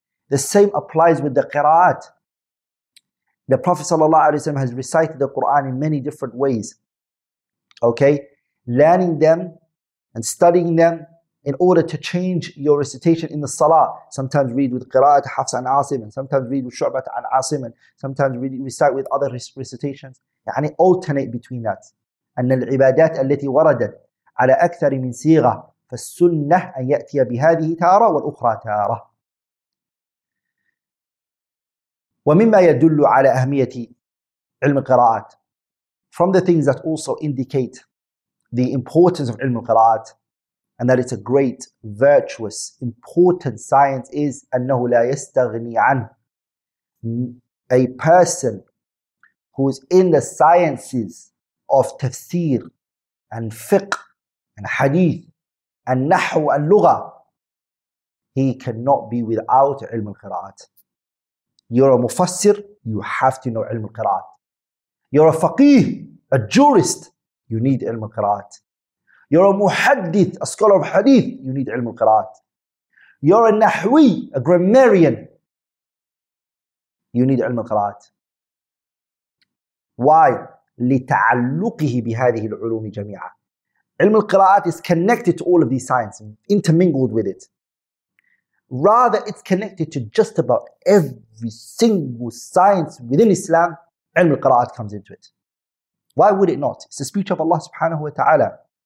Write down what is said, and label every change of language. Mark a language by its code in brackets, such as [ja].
[en] The same applies with the qira'at. The Prophet ﷺ has recited the Quran in many different ways. Okay? Learning them and studying them in order to change your recitation in the salah. Sometimes read with qira'at Hafs and Asim, and sometimes read with Shu'bat and Asim, and sometimes read, recite with other recitations. And it alternate between that. And the ibadat [ar] التي وردت على أكثر من سيغة فالسنة أن يأتي بهذه تارة والأخرى تارة. ومما يدل على أهمية علم القراءات. [en] From the things that also indicate the importance of علم القراءات, and that it's a great, virtuous, important science, is [ar] أنه لا يستغني عنه. [en] A person who's in the sciences of tafsir and fiqh and hadith and nahu and lugha, he cannot be without ilm al-qira'at. You're a mufassir, you have to know ilm al-qira'at. You're a faqih, a jurist, you need ilm al-qira'at. You're a muhaddith, a scholar of hadith, you need ilm al-qira'at. You're a nahwi, a grammarian, you need ilm al-qira'at. Why? [ar] لتعلقه بهذه العلوم جميعا. [en] Ilm al-qira'at is connected to all of these sciences, intermingled with it. Rather, it's connected to just about every single science within Islam. Ilm al-qira'at comes into it. Why would it not? It's the speech of Allah subhanahu wa ta'ala.